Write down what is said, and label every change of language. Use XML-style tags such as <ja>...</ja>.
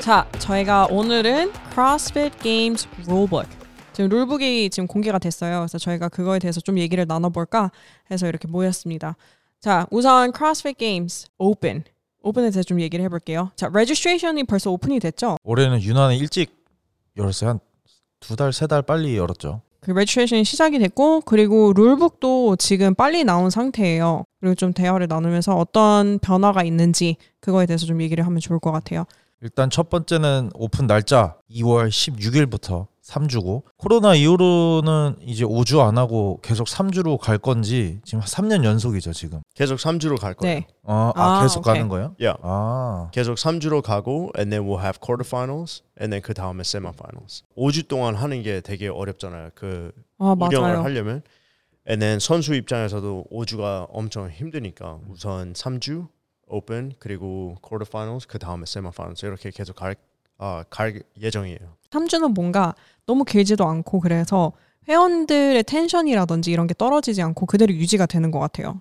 <ko>자, 저희가 오늘은 CrossFit Games Rulebook. 지금 룰북이 지금 공개가 됐어요. 그래서 저희가 그거에 대해서 좀 얘기를 나눠볼까 해서 이렇게 모였습니다. 자, 우선 CrossFit Games Open. 오픈에 대해서 좀 얘기를 해볼게요. 자, 레지스트레이션이 벌써 오픈이 됐죠? 올해는 유난히 일찍 열었어요. 한 두 달, 세 달 빨리 열었죠. 그 레지스트레이션이 시작이 됐고, 그리고 룰북도 지금 빨리 나온 상태예요. 그리고 좀 대화를 나누면서 어떤 변화가 있는지 그거에 대해서 좀 얘기를 하면 좋을 것 같아요. 일단 첫 번째는 오픈 날짜 2월 16일부터 3주고, 코로나 이후로는 이제 5주 안 하고 계속 3주로 갈 건지, 지금 3년 연속이죠, 지금. 계속 3주로 갈 거예요. 네. 계속 오케이. 가는 거예요?</ko> <en>Yeah.</en> <ko>아. 계속 3주로 가고,</ko> <en>and then we'll have quarterfinals, and then</en> <ko>그 다음에</ko> <en>semifinals.</en> <ko>5주 동안 하는 게 되게 어렵잖아요. 그 운영을 하려면.</ko> <en>And then</en> <ko>선수 입장에서도 5주가 엄청 힘드니까, 우선 3주, open, 그리고 quarterfinals, 그 다음에 semifinals, 이렇게 계속 갈 예정이에요. 3주는 뭔가 너무 길지도 않고 그래서 회원들의 텐션이라든지 이런 게 떨어지지 않고 그대로 유지가 되는 것 같아요.</ko>